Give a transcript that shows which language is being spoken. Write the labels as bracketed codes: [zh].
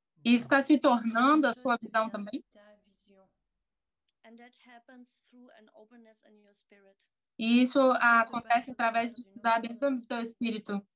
[pt] Isso está se tornando a sua visão também? [en] And that happens through an openness in your spirit. [pt] E isso acontece através da abertura do teu espírito.